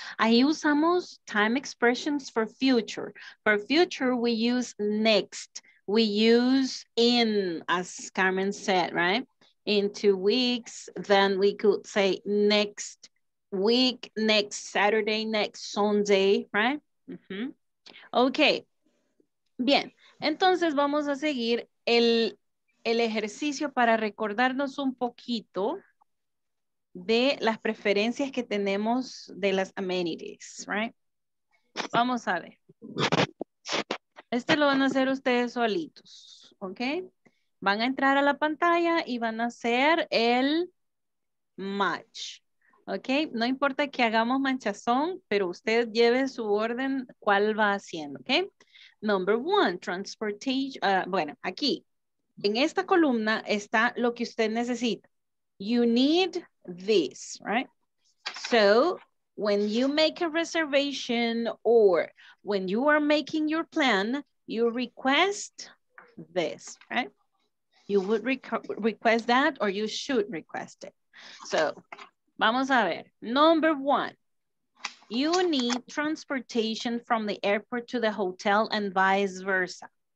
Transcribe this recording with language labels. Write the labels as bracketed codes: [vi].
[en] I use almost time expressions for future. For future, we use next. We use in, as Carmen said, right? In 2 weeks, then we could say next week, next Saturday, next Sunday, right? [es] Mm-hmm. Okay, bien. Entonces vamos a seguir el ejercicio para recordarnos un poquito de las preferencias que tenemos de las amenities, [en] right? [es] Vamos a ver. Este lo van a hacer ustedes solitos, okay? Van a entrar a la pantalla y van a hacer el match. ¿Ok? No importa que hagamos manchazón, pero usted lleve su orden, ¿cuál va haciendo? ¿Ok? [en] Number one, transportation. [es] Bueno, aquí, en esta columna está lo que usted necesita. [en] You need this, right? So, when you make a reservation or when you are making your plan, you request this, right? You would request that or you should request it. So, [es] vamos a ver. [en] Number one, you need transportation from the airport to the hotel and vice versa.